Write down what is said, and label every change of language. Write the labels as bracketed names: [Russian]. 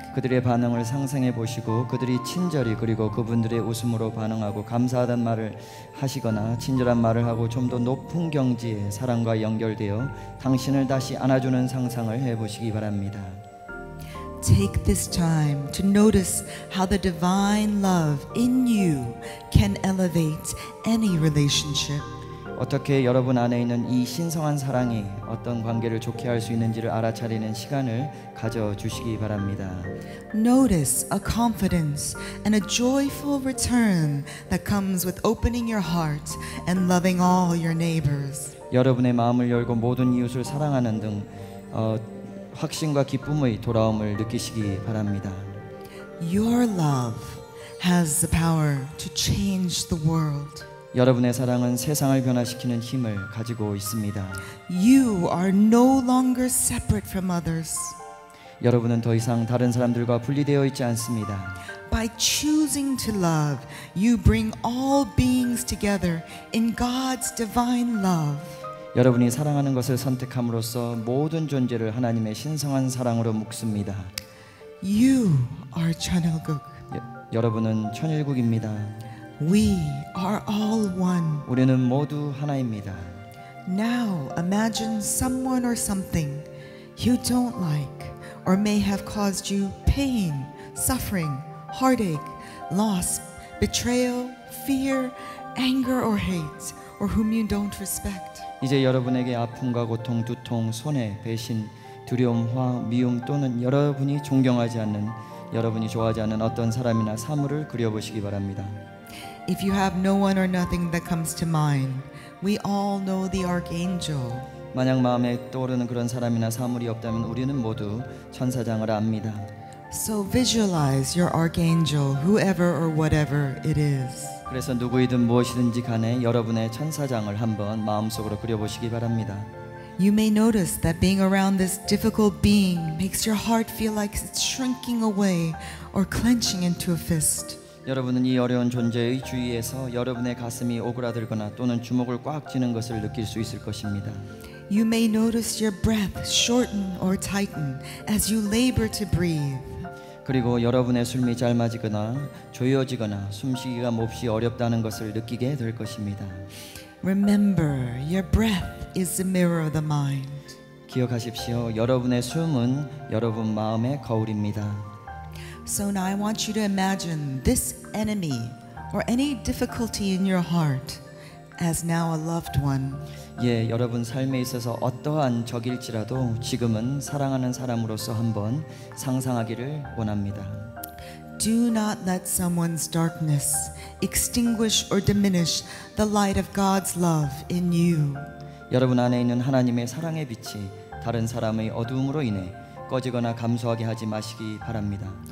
[Korean] 그들의 반응을 상상해 보시고 그들이 친절히 그리고 그분들의 웃음으로 반응하고 감사하다는 말을 하시거나 친절한 말을 하고 좀 더 높은 경지의 사랑과 연결되어 당신을 다시 안아주는 상상을 해 보시기 바랍니다. [English] Take this time to notice how the divine love in you can elevate any relationship. [Korean] 어떻게 여러분 안에 있는 이 신성한 사랑이 어떤 관계를 좋게 할 수 있는지를 알아차리는 시간을 가져주시기 바랍니다. [English] Notice a confidence and a joyful return that comes with opening your heart and loving all your neighbors. [Korean] 여러분의 마음을 열고 모든 이웃을 사랑하는 등 확신과 기쁨의 돌아옴을 느끼시기 바랍니다. [English] Your love has the power to change the world. [Korean] 여러분의 사랑은 세상을 변화시키는 힘을 가지고 있습니다. [English] You are no longer separate from others. [Korean] 여러분은 더 이상 다른 사람들과 분리되어 있지 않습니다. [English] By choosing to love, you bring all beings together in God's divine love. [Korean] 여러분이 사랑하는 것을 선택함으로써 모든 존재를 하나님의 신성한 사랑으로 묶습니다. [English] You are 천일국. [Korean] 여러분은 천일국입니다. [English] We are all one. [Korean] 우리는 모두 하나입니다. [English] Now imagine someone or something you don't like or may have caused you pain, suffering, heartache, loss, betrayal, fear, anger or hate, or whom you don't respect. [Korean] 이제 여러분에게 아픔과 고통, 두통, 손해, 배신, 두려움과 미움 또는 여러분이 존경하지 않는, 여러분이 좋아하지 않는 어떤 사람이나 사물을 그려보시기 바랍니다. [English] If you have no one or nothing that comes to mind, we all know the archangel. [Korean] 만약 마음에 떠오르는 그런 사람이나 사물이 없다면 우리는 모두 천사장을 압니다. [English] So visualize your archangel, whoever or whatever it is. [Korean] 그래서 누구이든 무엇이든지 간에 여러분의 천사장을 한번 마음속으로 그려보시기 바랍니다. [English] You may notice that being around this difficult being makes your heart feel like it's shrinking away or clenching into a fist. [Korean] 여러분은 이 어려운 존재의 주위에서 여러분의 가슴이 오그라들거나 또는 주먹을 꽉 쥐는 것을 느낄 수 있을 것입니다. [English] You may notice your breath shorten or tighten as you labor to breathe. [Korean] 그리고 여러분의 숨이 짧아지거나 조여지거나 숨쉬기가 몹시 어렵다는 것을 느끼게 될 것입니다. [English] Remember, your breath is the mirror of the mind. [Korean] 기억하십시오. 여러분의 숨은 여러분 마음의 거울입니다. [English] So now I want you to imagine this enemy or any difficulty in your heart as now a loved one. [Korean] 예, 여러분 삶에 있어서 어떠한 적일지라도 지금은 사랑하는 사람으로서 한번 상상하기를 원합니다. [English] Do not let someone's darkness extinguish or diminish the light of God's love in you. [Korean] 여러분 안에 있는 하나님의 사랑의 빛이 다른 사람의 어두움으로 인해 꺼지거나 감소하게 하지 마시기 바랍니다.